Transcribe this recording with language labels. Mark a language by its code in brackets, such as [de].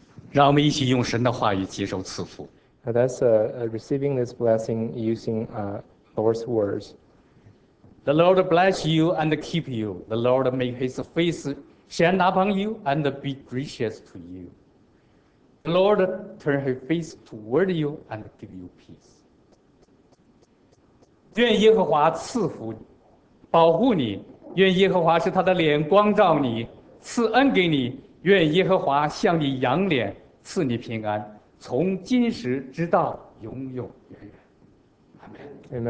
[zh] 让我们一起用神的话语接受赐福。 [en] That's receiving this blessing using Lord's words. The Lord bless you and keep you. The Lord make His face shine upon you and be gracious to you. The Lord turn his face toward you and give you peace. [zh] 愿耶和华赐福你，保护你。愿耶和华使他的脸光照你，赐恩给你。愿耶和华向你扬脸，赐你平安，从今时直到永永远远。